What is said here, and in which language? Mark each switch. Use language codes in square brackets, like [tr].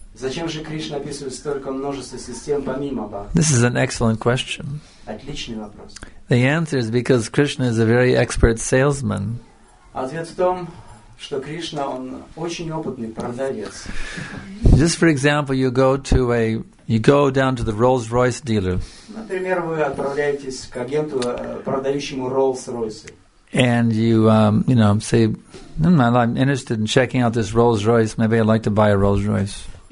[ru] Зачем же Кришна описывает столько множества систем помимо Бхакти? [en] This is an excellent question. [ru] Отличный вопрос. [en] The answer is because Krishna is a very expert salesman. [ru] Ответ в том, что Кришна, он очень опытный продавец. [en] Just for example, you go down to the Rolls-Royce dealer. [ru] Например, вы отправляетесь к агенту, продающему Rolls-Royce. [en] And you, say, I'm interested in checking out this Rolls-Royce. Maybe I'd like to buy a Rolls-Royce.